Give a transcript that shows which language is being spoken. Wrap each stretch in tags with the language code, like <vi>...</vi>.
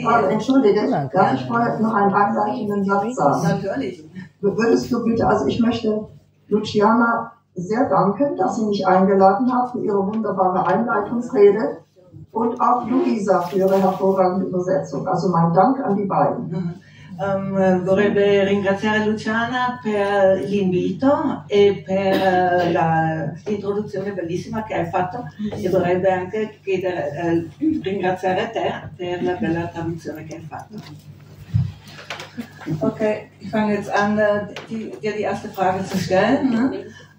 <de>Entschuldige, darf ich mal noch einen einleitenden Satz sagen? Natürlich. Würdest du bitte, also ich möchte Luciana sehr danken, dass sie mich eingeladen hat für ihre wunderbare Einleitungsrede. Und auch Luisa für ihre hervorragende Übersetzung. Also mein Dank an die beiden.</de> <it>Vorrebbe ringraziare Luciana per l'invito e per l'introduzione bellissima che hai fatto, e vorrebbe anche ringraziare te per la bella traduzione che hai fatto.</it> <de>Ok, ich fange jetzt an, dir die erste Frage zu stellen.</de>